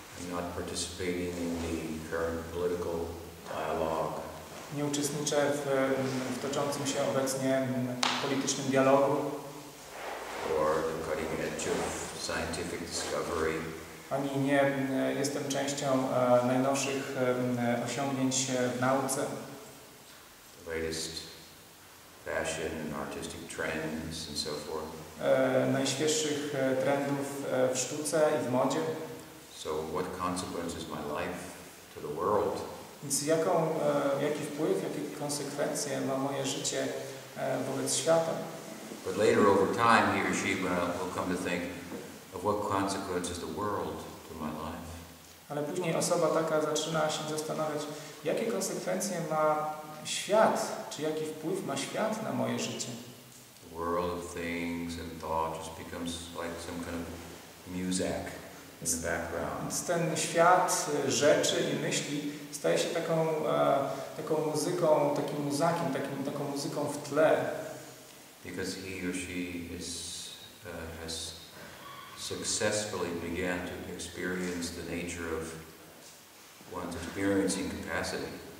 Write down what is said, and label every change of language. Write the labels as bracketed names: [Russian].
[English] Not participating in the current political dialogue. [Polish] Nie uczestniczę w toczącym się obecnie politycznym dialogu. [English] Or the cutting edge of scientific discovery. [Polish] Ani nie jestem częścią najnowszych osiągnięć w nauce. [English] The latest fashion and artistic trends and so forth. [Polish] Najświeższych trendów w sztuce i w modzie. [English] So what consequence is my life to the world? [Polish] Więc jaki wpływ, jakie konsekwencje ma moje życie wobec świata? [English] But later over time he or she will come to think of what consequence is the world to my life. [Polish] Ale później osoba taka zaczyna się zastanawiać, jakie konsekwencje ma świat, czy jaki wpływ ma świat na moje życie? [English] The world of things and thought just becomes like some kind of music. [Polish] Więc ten świat rzeczy i myśli staje się taką muzyką, takim muzakiem, taką muzyką w tle. [English] Because he or she is has successfully began to experience the nature of one's experiencing capacity.